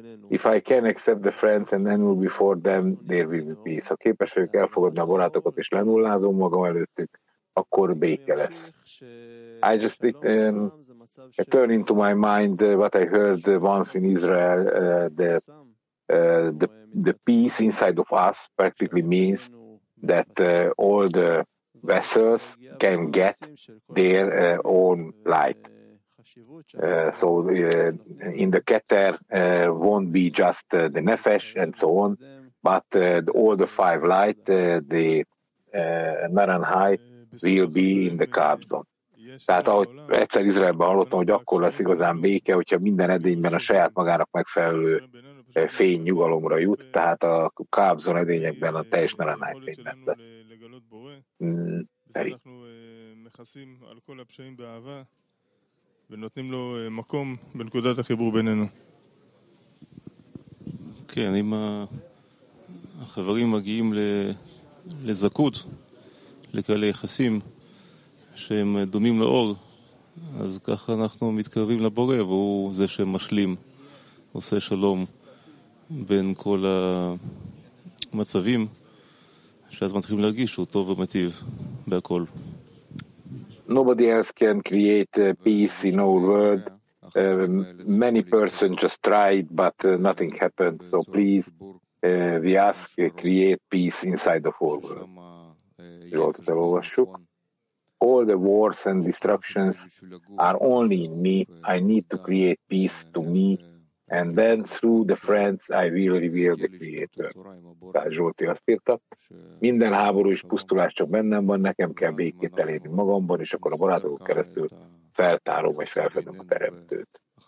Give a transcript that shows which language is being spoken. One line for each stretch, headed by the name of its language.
English: If I can accept the friends and then will before them, there will be peace.
Hungarian: Ha képes vagyok elfogadni a barátokat és lenullázom magam előttük, akkor béke lesz.
English: I just turn into my mind what I heard once in Israel, that the peace inside of us practically means that all the vessels can get their own light. So in the Keter won't be just the Nefesh and so on, but all the five light, the Naranhai, will be in the Kabzon.
Hungarian: Tehát ahogy egyszer Izraelben hallottam, hogy akkor lesz igazán béke, hogyha minden edényben a saját magának megfelelő fény nyugalomra jut, tehát a kábzon edényekben a teljes naranáj fény nem lesz. Igen,
Hebrew: אם החברים מגיעים לזכות, לכאלה יחסים, שהם דומים לאור, אז ככה אנחנו מתקרבים לבורא, והוא זה שמשלים, עושה שלום בין כל המצבים, שאז מתחילים להרגיש שהוא טוב ומטיב בהכל.
English: Nobody else can create peace in our world. Many persons just tried, but nothing happened. So please, we ask, create peace inside of our world. All the wars and destructions are only in me. I need to create peace to me. And then through the friends, I will reveal the Creator.
Hungarian: Tehát Zsolti azt írta, minden háború és pusztulás csak bennem van, nekem kell békét elérni magamban, és akkor a barátok keresztül feltárom, vagy felfedem a Teremtőt.